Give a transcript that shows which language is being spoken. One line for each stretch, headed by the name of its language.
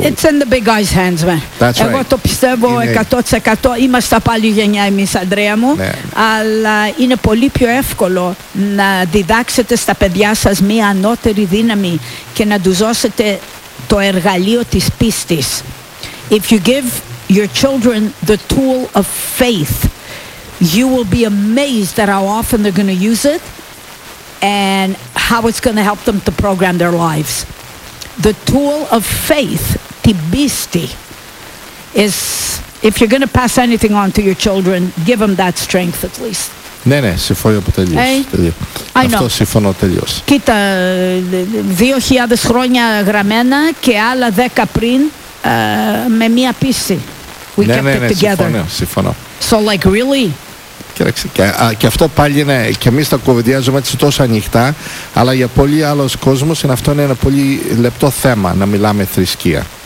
English: It's in the big guy's hands, man. That's
Greek: εγώ
English: right.
Greek: Το πιστεύω είναι... 100%. Είμαστε πάλι γενιά εμείς, Ανδρέα μου. Ναι. Αλλά είναι πολύ πιο εύκολο να διδάξετε στα παιδιά σας μία ανώτερη δύναμη και να τους δώσετε το εργαλείο της πίστης.
English: If you give your children the tool of faith, you will be amazed at how often they're going to use it and how it's going to help them to program their lives. The tool of faith, the pisti, is, if you're going to pass anything on to your children, give them that strength at least.
Greek: Ναι, ναι, συμφωνώ που τελείως. Αυτό συμφωνώ τελείως. Κοίτα, 2000 χρόνια γραμμένα και άλλα 10 πριν με μία πίστη. We ναι, kept ναι, ναι, it together. Συμφωνώ, συμφωνώ.
English: So like really?
Greek: Και αυτό πάλι είναι, και εμείς τα κουβεντιάζουμε έτσι τόσο ανοιχτά, αλλά για πολύ άλλος κόσμος είναι, αυτό είναι ένα πολύ λεπτό θέμα, να μιλάμε θρησκεία.